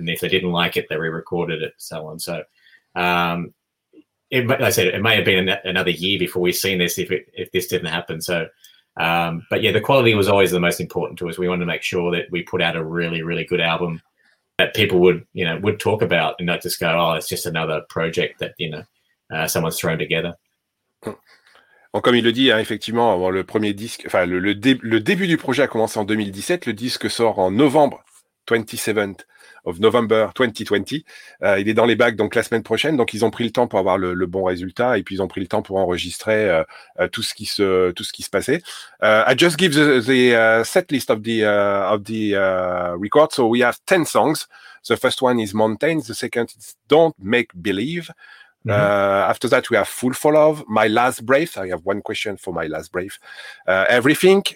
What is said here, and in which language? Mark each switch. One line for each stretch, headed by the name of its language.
English: And if they didn't like it, they re-recorded it and so on. So, it may have been another year before we've seen this if this didn't happen. So, but, yeah, the quality was always the most important to us. We wanted to make sure that we put out a really, really good album that people would, you know, would talk about and not just go, oh, it's just another project that, you know, someone's thrown together.
French: Comme il le dit, hein, effectivement, bon, le premier disque, enfin le début du projet a commencé en 2017. Le disque sort en novembre,
English: 27th of November 2020.
French: Il est dans les bacs donc la semaine prochaine. Donc ils ont pris le temps pour avoir le bon résultat et puis ils ont pris le temps pour enregistrer tout ce qui se passait.
English: I just give the set list of the record. So we have 10 songs. The first one is Mountains. The second is Don't Make Believe. After that, we have Full for Love, My Last Breath. I have one question for My Last Breath. Everything.